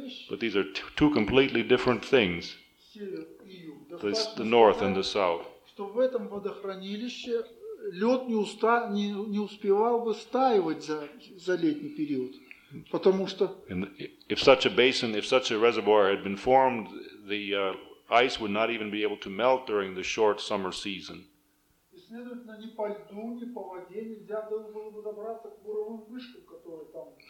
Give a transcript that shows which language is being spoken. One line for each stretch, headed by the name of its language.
English: But these are two completely different things, the north and the south.
Russian: Лед не успевал бы стаивать за летний период, потому что.
English: If such a basin, if such a reservoir had been formed, the ice would not even be able to melt during the short summer season.
Russian: И, следовательно, ни по льду, ни по воде нельзя было бы добраться к буровым вышкам, которые там.